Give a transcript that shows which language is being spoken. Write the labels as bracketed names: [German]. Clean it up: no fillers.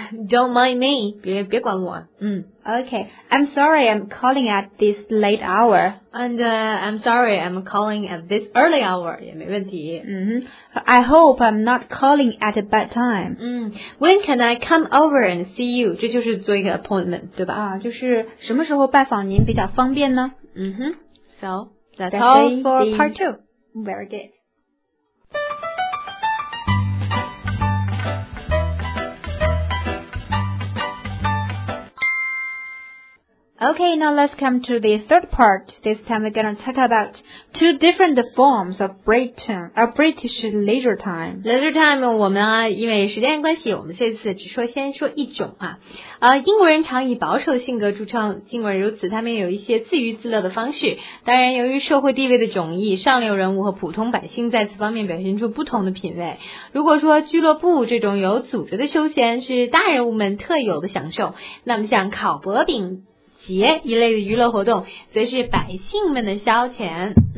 [English] Don't mind me. [Chinese] 别管我。 [English] Okay. I'm sorry I'm calling at this late hour. And I'm sorry I'm calling at this early hour. [Chinese] 也没问题。 [English] I hope I'm not calling at a bad time. When can I come over and see you? [Chinese] 这就是做一个 appointment, 对吧？啊，就是什么时候拜访您比较方便呢？ [English] So that's all for part two. Very good. Okay, now let's come to the third part. This time we're going to talk about two different forms of British leisure time. [Chinese] Leisure time, 我们因为时间关系，我们这次只说先说一种啊。英国人常以保守性格著称，尽管如此，他们也有一些自娱自乐的方式。当然，由于社会地位的迥异，上流人物和普通百姓在此方面表现出不同的品味。如果说俱乐部这种有组织的休闲是大人物们特有的享受，那么像烤薄饼节一类的娱乐活动则是百姓们的消遣。